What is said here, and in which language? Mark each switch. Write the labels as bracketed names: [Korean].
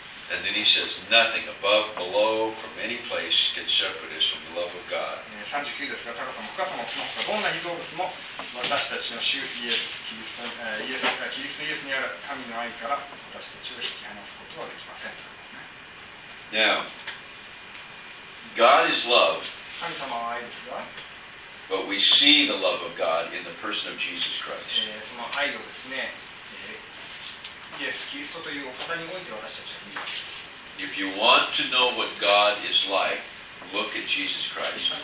[English] And then he says, nothing above, below, from any place can separate us from the love of God. [Japanese] 39ですが、高さも深さも深さも、どんな被造物も私たちの主イエス、キリストイエス、キリストイエスにある神の愛から私たちを引き離すことはできませんと言いますね。 [English] Now, God is love. [Japanese] 神様は愛ですが、 [English] But we see the love of God in the person of Jesus Christ. [Japanese] その愛をですね、イエス、キリストというお方において私たちは見るわけです。 [English] If you want to know what God is like,Look at Jesus Christ.